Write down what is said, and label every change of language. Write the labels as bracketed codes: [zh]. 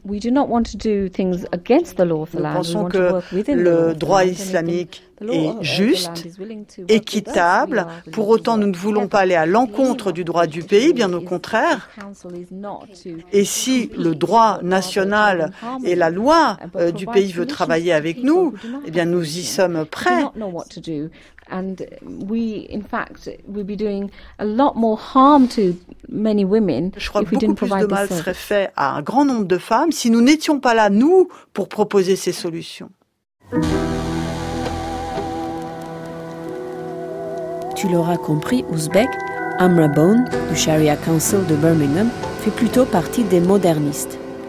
[fr] Nous pensons que le droit islamique est juste, équitable. Pour autant, nous ne voulons pas aller à l'encontre du droit du pays, bien au contraire. Et si le droit national et la loi du pays veut travailler avec nous, eh bien, nous y sommes prêts. [en] And we, in fact, we'd be doing a lot more harm to many women if we didn't provide the service. [fr] Je crois que beaucoup plus de mal serait fait à un grand nombre de femmes si nous n'étions pas là, nous, pour proposer ces solutions. Tu l'auras compris, Ouzbek, Amra Bone, du Sharia Council de Birmingham, fait plutôt partie des modernistes.